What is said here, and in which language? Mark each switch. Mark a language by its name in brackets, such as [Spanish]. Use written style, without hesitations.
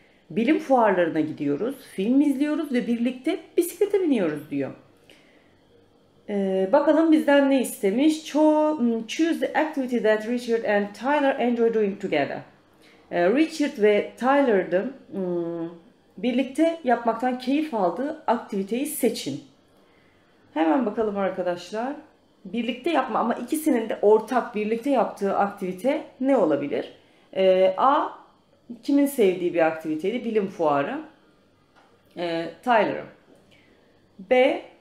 [Turkish] Bilim fuarlarına gidiyoruz, film izliyoruz ve birlikte bisiklete biniyoruz diyor. Bakalım bizden ne istemiş? [English] Choose the activity that Richard and Tyler enjoy doing together. [Turkish] Richard ve Tyler'ın birlikte yapmaktan keyif aldığı aktiviteyi seçin. Hemen bakalım arkadaşlar. Birlikte yapma ama ikisinin de ortak birlikte yaptığı aktivite ne olabilir? A. Kimin sevdiği bir aktiviteydi? Bilim fuarı. Tyler'ın. B.